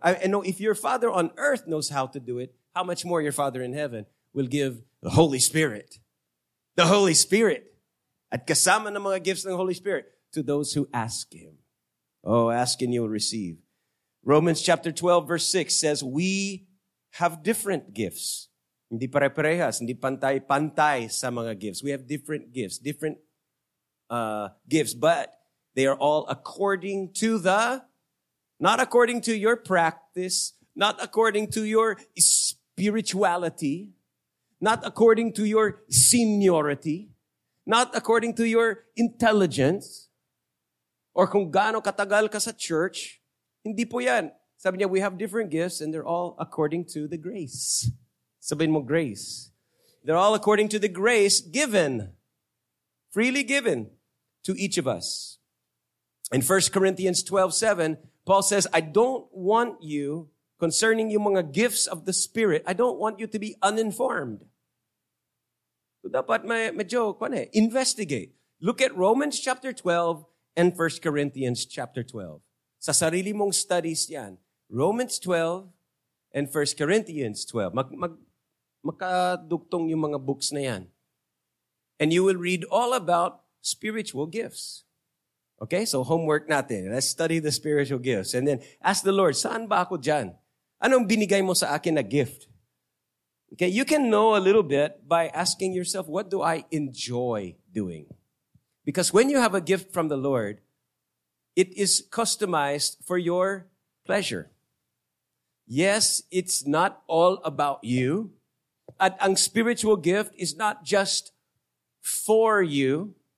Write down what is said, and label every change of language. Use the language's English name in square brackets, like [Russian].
[English] If your Father on earth knows how to do it, how much more your Father in heaven will give the Holy Spirit? The Holy Spirit. [Filipino] At kasama ng mga [English] gifts ng Holy Spirit to those who ask Him. Oh, ask and you'll receive. Romans chapter 12, verse 6 says, we have different gifts. [Filipino] Hindi pare-parehas, hindi pantay-pantay sa mga gifts. [English] We have different gifts, but they are all according to the, not according to your practice, not according to your spirituality, not according to your seniority, not according to your intelligence, or [Filipino] kung gaano katagal ka sa church. Hindi po yan. Sabi niya, [English] we have different gifts and they're all according to the grace. [Filipino] Sabihin mo, [English] grace. They're all according to the grace given, freely given to each of us. In 1 Corinthians 12:7, Paul says, I don't want you, concerning [Filipino] yung mga [English] gifts of the Spirit, I don't want you to be uninformed. So [Filipino] dapat may joke, kwan eh? [English] Investigate. Look at Romans chapter 12 and 1 Corinthians chapter 12. [Filipino] Sa sarili mong studies yan. Romans 12 and 1 Corinthians 12. Makaduktong yung mga books na yan. [English] And you will read all about spiritual gifts. Okay, so homework [Filipino] natin. [English] Let's study the spiritual gifts. And then ask the Lord, [Filipino] saan ba ako dyan? Anong binigay mo sa akin na gift? [English] Okay, you can know a little bit by asking yourself, what do I enjoy doing? Because when you have a gift from the Lord, it is customized for your pleasure. Yes, it's not all about you. [Filipino] At ang [English] spiritual gift is not just for you.